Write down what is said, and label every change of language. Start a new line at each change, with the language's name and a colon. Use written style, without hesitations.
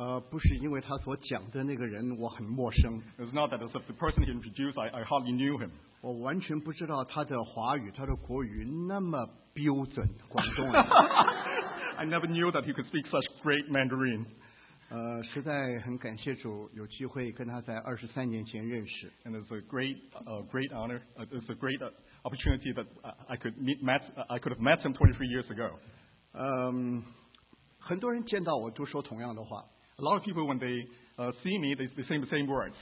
Chinese: 不是因为他所讲的那个人我很陌生。
English: It's not that as if the person he introduced, I hardly knew him.
Chinese: 我完全不知道他的华语、他的国语那么标准，广东人。
English: I never knew that he could speak such great Mandarin.
Chinese: 实在很感谢主有机会跟他在23年前认识。
English: And it's a great honor. It's a great opportunity that I could have met him 23 years ago.
Chinese: 很多人见到我都说同样的话。
English: A lot of people, when they see me, they say the same words.